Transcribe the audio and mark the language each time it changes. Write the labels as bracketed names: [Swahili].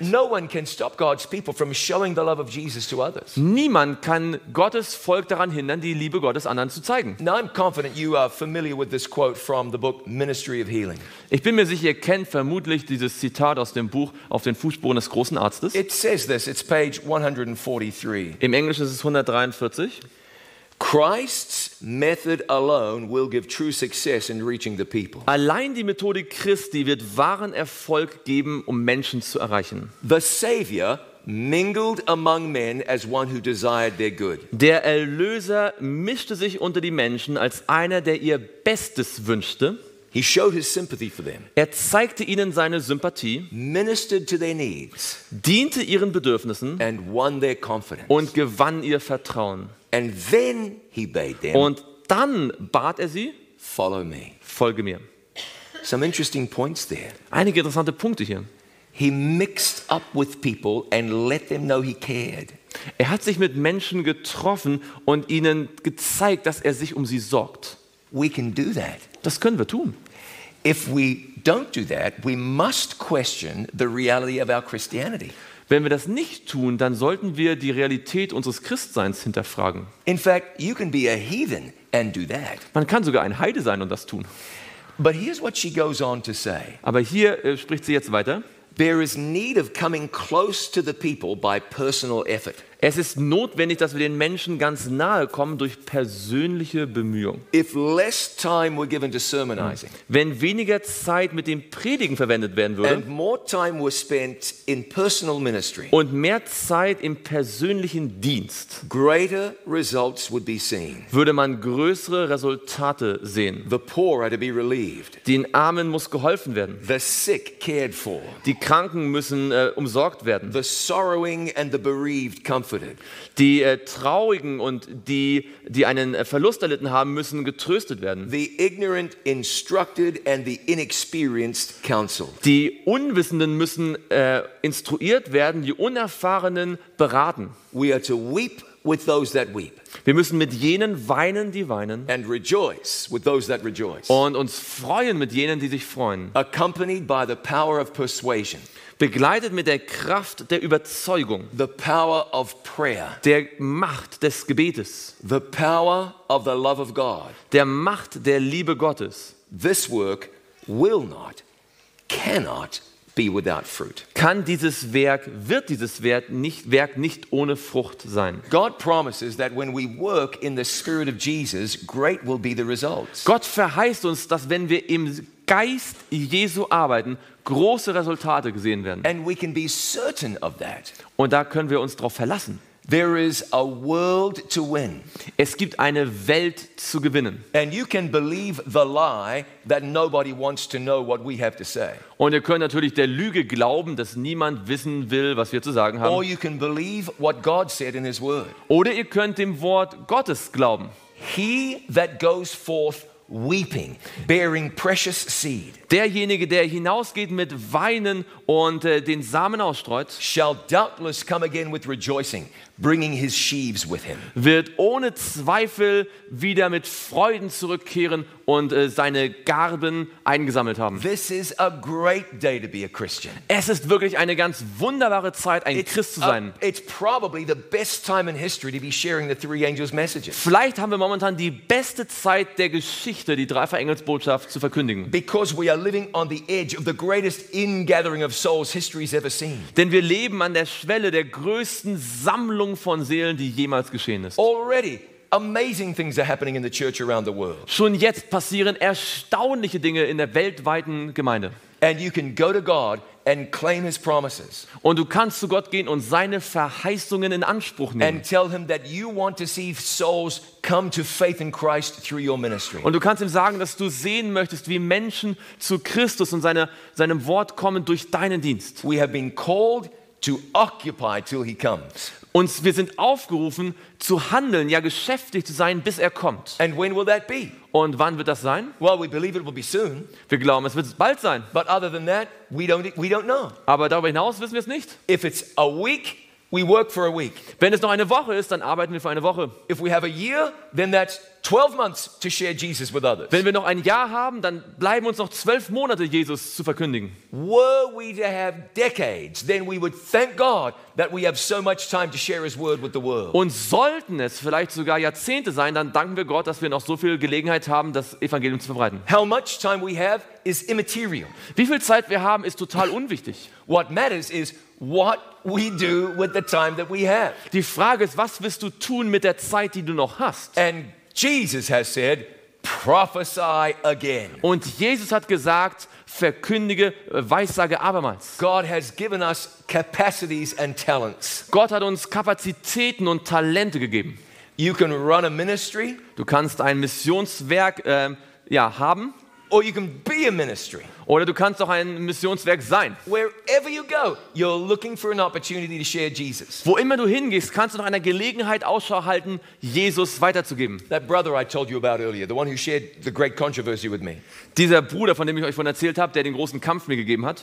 [English] No one can stop God's people from showing the love of Jesus to others. [German] Niemand kann Gottes Volk daran hindern, die Liebe Gottes anderen zu zeigen. [English] Now I'm confident you are familiar with this quote from the book Ministry of Healing. [German] Ich bin mir sicher, ihr kennt vermutlich dieses Zitat aus dem Buch Auf den Fußspuren des großen Arztes. [English] It says this, it's page 143. [German] Im Englischen ist es 143. [English] Christ's method alone will give true success in reaching the people. [German] Allein die Methode Christi wird wahren Erfolg geben, um Menschen zu erreichen. [English] The Savior mingled among men as one who desired their good. [German] Der Erlöser mischte sich unter die Menschen als einer, der ihr Bestes wünschte. [English] He showed his sympathy for them. [German] Er zeigte ihnen seine Sympathie. [English] Ministered to their needs. [German] Diente ihren Bedürfnissen. [English] And won their confidence. [German] Und gewann ihr Vertrauen. [English] And then he bade them. [German] Und dann bat er sie. [English] Follow me. [German] Folge mir. [English] Some interesting points there. [German] Einige interessante Punkte hier. [English] He mixed up with people and let them know he cared. [German] Er hat sich mit Menschen getroffen und ihnen gezeigt, dass er sich um sie sorgt. [English] We can do that. [German] Das können wir tun. [English] If we don't do that, we must question the reality of our Christianity. [German] Wenn wir das nicht tun, dann sollten wir die Realität unseres Christseins hinterfragen. [English] In fact, you can be a heathen and do that. [German] Man kann sogar ein Heide sein und das tun. [English] But here's what she goes on to say. [German] Aber hier spricht sie jetzt weiter. [English] There is need of coming close to the people by personal effort. [German] Es ist notwendig, dass wir den Menschen ganz nahe kommen durch persönliche Bemühung. [English] If less time were given to sermonizing, [German] wenn weniger Zeit mit dem Predigen verwendet werden würde, [English] and more time were spent in personal ministry, [German] und mehr Zeit im persönlichen Dienst, [English] greater results would be seen. [German] Würde man größere Resultate sehen. [English] The poor are to be relieved. [German] Den Armen muss geholfen werden. [English] The sick cared for. [German] Die Kranken müssen umsorgt werden. [English] The sorrowing and the bereaved come. [German] Die Traurigen und die einen Verlust erlitten haben, müssen getröstet werden. [English] The ignorant instructed and the inexperienced counseled. [German] Die Unwissenden müssen instruiert werden, die Unerfahrenen beraten. [English] We are to weep with those that weep. [German] Wir müssen mit jenen weinen, die weinen. [English] And rejoice with those that rejoice. [German] Und uns freuen mit jenen, die sich freuen. [English] Accompanied by the power of persuasion. [German] Begleitet mit der Kraft der Überzeugung, [English] the power of prayer, [German] der Macht des Gebetes, [English] the power of the love of God, [German] der Macht der Liebe Gottes. [English] This work will not, cannot be without fruit. [German] Kann dieses Werk, wird dieses Werk nicht ohne Frucht sein. [English] God promises that when we work in the Spirit of Jesus, great will be the results. [German] Gott verheißt uns, dass wenn wir im Geist Jesu arbeiten, große Resultate gesehen werden. [English] And we can be certain of that. [German] Und da können wir uns drauf verlassen. [English] There is a world to win. [German] Es gibt eine Welt zu gewinnen. [English] And you can believe the lie that nobody wants to know what we have to say. [German] Und ihr könnt natürlich der Lüge glauben, dass niemand wissen will, was wir zu sagen haben. [English] Or you can believe what God said in his word. [German] Oder ihr könnt dem Wort Gottes glauben. [English] He that goes forth weeping, bearing precious seed. [German] Derjenige, der hinausgeht mit Weinen und den Samen ausstreut, [English] shall doubtless come again with rejoicing, bringing his sheaves with him. [German] Wird ohne Zweifel wieder mit Freuden zurückkehren und seine Garben eingesammelt haben. [English] This is a great day to be a Christian. [German] Es ist wirklich eine ganz wunderbare Zeit, ein Christ zu sein. [English] It's probably the best time in history to be sharing the three angels' messages. [German] Vielleicht haben wir momentan die beste Zeit der Geschichte, die Dreifach-Engels-Botschaft zu verkündigen. [English] Because we are living on the edge of the greatest ingathering of souls history's ever seen. [German] Denn wir leben an der Schwelle der größten Sammlung von Seelen, die jemals geschehen ist. [English] Already amazing things are happening in the church around the world. [German] Schon jetzt passieren erstaunliche Dinge in der weltweiten Gemeinde. [English] And you can go to God and claim his promises. [German] Und du kannst zu Gott gehen und seine Verheißungen in Anspruch nehmen. [English] And tell him that you want to see souls come to faith in Christ through your ministry. [German] Und du kannst ihm sagen, dass du sehen möchtest, wie Menschen zu Christus und seinem Wort kommen durch deinen Dienst. [English] We have been called to occupy till he comes. [German] Und wir sind aufgerufen zu handeln, ja geschäftig zu sein, bis er kommt. [English] And when will that be? [German] Und wann wird das sein? [English] Well, we believe it will be soon. [German] Wir glauben, es wird bald sein. [English] But other than that, we don't know. [German] Aber darüber hinaus wissen wir es nicht. [English] If it's a week, we work for a week. [German] Wenn es noch eine Woche ist, dann arbeiten wir für eine Woche. [English] If we have a year, then that's 12 months to share Jesus with others. [German] Wenn wir noch ein Jahr haben, dann bleiben uns noch 12 Monate, Jesus zu verkündigen. [English] Were we to have decades, then we would thank God that we have so much time to share his word with the world. [German] Und sollten es vielleicht sogar Jahrzehnte sein, dann danken wir Gott, dass wir noch so viel Gelegenheit haben, das Evangelium zu verbreiten. [English] How much time we have is immaterial. [German] Wie viel Zeit wir haben, ist total unwichtig. [English] What matters is what we do with the time that we have. [German] Die Frage ist, was wirst du tun mit der Zeit, die du noch hast? [English] And Jesus has said, prophesy again. [German] Und Jesus hat gesagt, verkündige, weissage abermals. [English] God has given us capacities and talents. [German] Gott hat uns Kapazitäten und Talente gegeben. [English] You can run a ministry. [German] Du kannst ein Missionswerk haben. [English] Or you can be a ministry. [German] Oder du kannst auch ein Missionswerk sein. [English] Wherever you go, you're looking for an opportunity to share Jesus. [German] Wo immer du hingehst, kannst du nach einer Gelegenheit Ausschau halten, Jesus weiterzugeben. [English] That brother I told you about earlier, the one who shared the great controversy with me. [German] Dieser Bruder, von dem ich euch vorhin erzählt habe, der den großen Kampf mir gegeben hat.